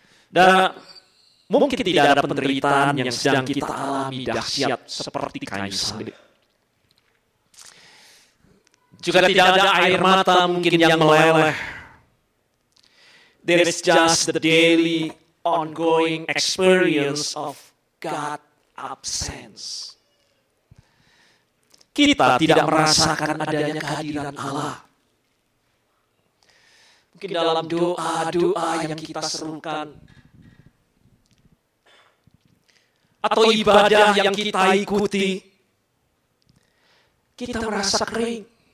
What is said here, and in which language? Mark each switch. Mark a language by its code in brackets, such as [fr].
[id] Dan mungkin tidak ada penderitaan yang sedang kita alami dahsyat seperti kayu salib. Juga tidak ada air mata mungkin yang meleleh. [en] There is just the daily ongoing experience of God's absence. [id] Kita tidak merasakan adanya kehadiran Allah. Mungkin dalam doa-doa yang kita serukan, atau ibadah yang kita ikuti, kita merasa kering.